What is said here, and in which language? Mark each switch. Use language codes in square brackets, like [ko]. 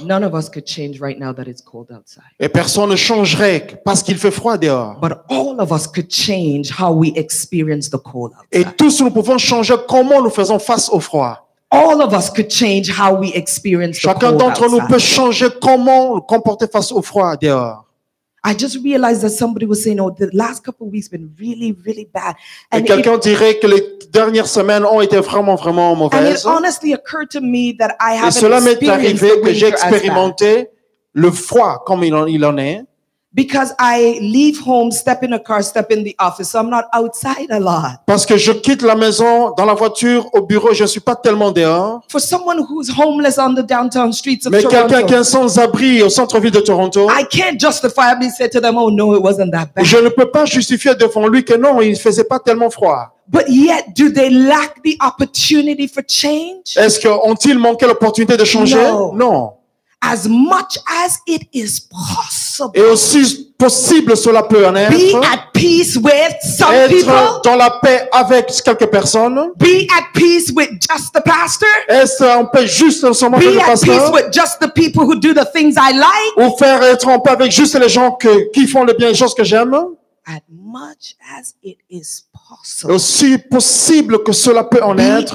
[en] None of us could change right now that it's cold outside. [fr] Et personne ne changerait parce qu'il fait froid dehors. [en] But all of us could change how we experience the cold outside. [fr] Et tous nous pouvons changer comment nous faisons face au froid. [en] All of us could change how we experience the [fr] Chacun [en] cold [fr] d'entre [en] outside. [fr] Nous peut changer comment nous comporter face au froid dehors. [en] I just realized that somebody was saying, "Oh, the last couple of weeks have been really, really bad." [fr] And quelqu'un dirait que les dernières semaines ont été vraiment, vraiment mauvaises. [en] And it honestly occurred to me that I haven't experienced the winter as bad. [fr] Et cela m'est arrivé que j'ai expérimenté le froid comme il en est. [en] Because I leave home, step in a car, step in the office, so I'm not outside a lot. [fr] Parce que je quitte la maison, dans la voiture, au bureau, je ne suis pas tellement dehors. [en] For someone who's homeless on the downtown streets of [fr] Mais [en] Toronto. [fr] Mais quelqu'un qui est sans abri au centre-ville de Toronto. [en] I can't justifiably say to them, oh no, it wasn't that bad. [fr] Je ne peux pas justifier devant lui que non, il ne faisait pas tellement froid. [en] But yet, do they lack the opportunity for change? [fr] Est-ce qu'ont-ils manqué l'opportunité de changer? [en] No. [fr] Non. [en] As much as it is possible. [fr] Et aussi possible cela peut en être. [en] Be at peace with some people. [fr] Être dans la paix avec quelques personnes. [en] Be at peace with just the pastor. [fr] Être en paix juste seulement avec le pasteur. [en] Be at peace with just the people who do the things I like. [fr] Ou faire être en paix avec juste les gens qui font le bien, les choses que j'aime. [en] As much as it is possible. [fr] Et aussi possible que cela peut en être.